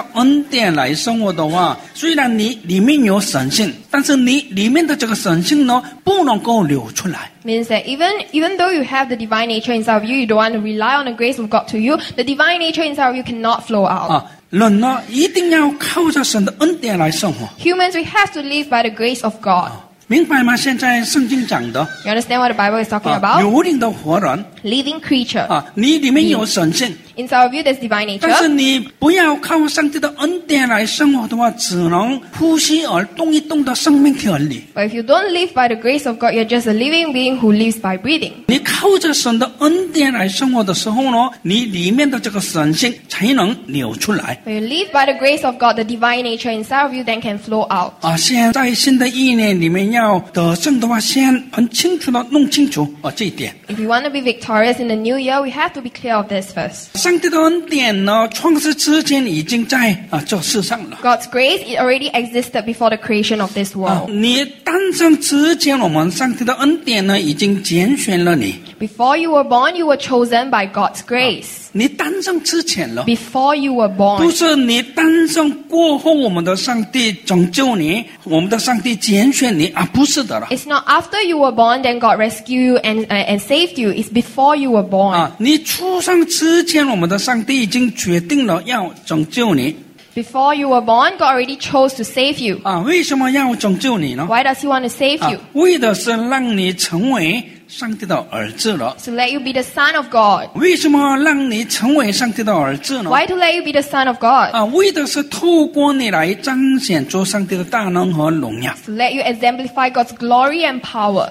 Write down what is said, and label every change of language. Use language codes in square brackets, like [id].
[zh] 那么意思说,如果你不要靠上帝的恩典来生活的话, 虽然你里面有神性, 但是你里面的这个神性呢,不能够流出来。 [en] Means that even though you have the divine nature inside of you, you don't want to rely on the grace of God to you, the divine nature inside of you cannot flow out. [zh] 啊, 人呢,一定要靠着神的恩典来生活。 [en] Humans, we have to live by the grace of God. 啊, [zh] 明白吗?现在圣经讲的, [en] you understand what the Bible is talking about? [zh] 有灵的活人, [en] living creature. [zh] 啊, 你里面有神性, [en] inside of you, there's divine nature. [zh] 但是你不要靠上帝的恩典来生活的话, 只能呼吸而动一动的生命体而已。 [en] But if you don't live by the grace of God, you're just a living being who lives by breathing. [zh] 你靠着神的恩典来生活的时候呢, 你里面的这个神性才能流出来。 [en] When you live by the grace of God, the divine nature inside of you then can flow out. [zh] 啊, 现在新的一年里面, 要得胜的话, 先很清楚地弄清楚, 哦, 这一点。 [en] If you want to be victorious in the new year, we have to be clear of this first. [zh] 上帝的恩典呢, 创世之前已经在, 啊, 这世上了。 [en] God's grace, it already existed before the creation of this world. [zh] 啊, 你诞生之前, 我们, 上帝的恩典呢, 已经拣选了你。 [en] Before you were born, you were chosen by God's grace. [zh] 啊, 你诞生之前了, [en] before you were born. [zh] 不是你诞生过后, 我们的上帝拯救你, 我们的上帝拣选你, 啊, [en] it's not after you were born, then God rescued you and saved you. It's before you were born. [zh] 啊, 你出生之前, 我们的上帝已经决定了要拯救你。 [en] Before you were born, God already chose to save you. [zh] 啊, 为什么要拯救你呢? [en] Why does He want to save you? [zh] 啊, 为的是让你成为 上帝的儿子了, [en] to let you be the son of God. [zh] 为什么让你成为上帝的儿子呢? [en] Why to let you be the son of God? [zh] 啊, 为的是透过你来彰显出上帝的大能和荣耀。 [en] To let you exemplify God's glory and power.